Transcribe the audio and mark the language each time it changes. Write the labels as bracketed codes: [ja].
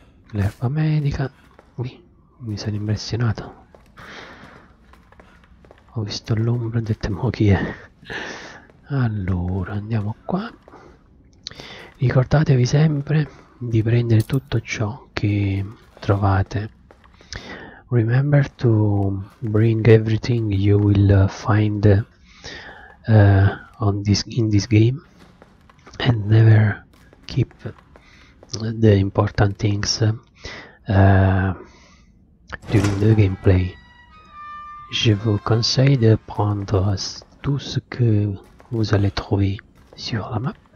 [it] L'erba medica. Mi sono impressionato. Ho visto l'ombra, ho detto mo chi è? Allora, andiamo qua. Ricordatevi sempre di prendere tutto ciò che trovate. [en] Remember to bring everything you will find in this game and never keep the important things during the gameplay. [fr] Je vous conseille de prendre tout ce que vous allez trouver sur la map.